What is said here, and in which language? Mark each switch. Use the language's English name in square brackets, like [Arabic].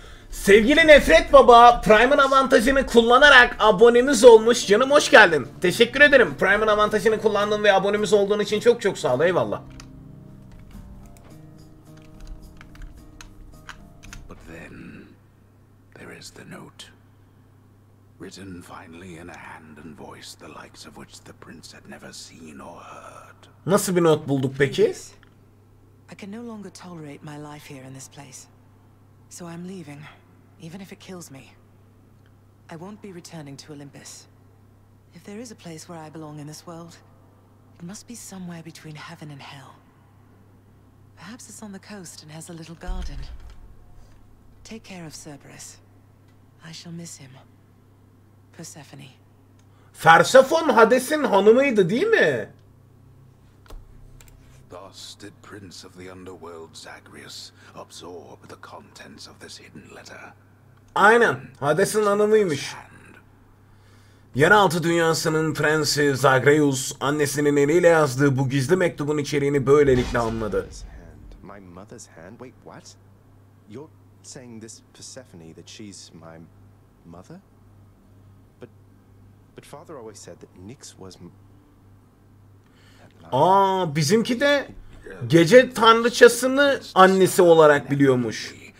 [Turkish] Sevgili Nefret Baba, Prime'ın avantajını kullanarak abonemiz olmuş. Canım hoş geldin. Teşekkür ederim. Prime'ın avantajını kullandığın ve abonemiz olduğun için çok çok sağ ol. Eyvallah. [English] But then there is the note written finally in a hand and voice the likes of which the prince had never seen or heard. [Turkish] Nasıl bir not bulduk peki? [English] I can no longer tolerate my life here in this place. So I'm leaving. Even if it kills me, I won't be returning to Olympus. If there is a place where I belong in this world, it must be somewhere between heaven and hell. Perhaps it's on the coast and has a little garden. Take care of Cerberus. I shall miss him. Persephone. [Turkish] Persephone Hades'in hanımıydı, değil mi? [English] Thus did Prince of the Underworld Zagreus absorb the contents of this hidden letter. [Turkish] Aynen, Hades'in hanımıymış. Yeraltı dünyasının prensi Zagreus, annesinin eliyle yazdığı bu gizli mektubun içeriğini böylelikle anladı. [English] My mother's hand. Wait, what? You're saying this Persephone that she's my mother? But father always said that Nyx was. [Turkish] Bizimki de gece tanrıçasını annesi olarak biliyormuş.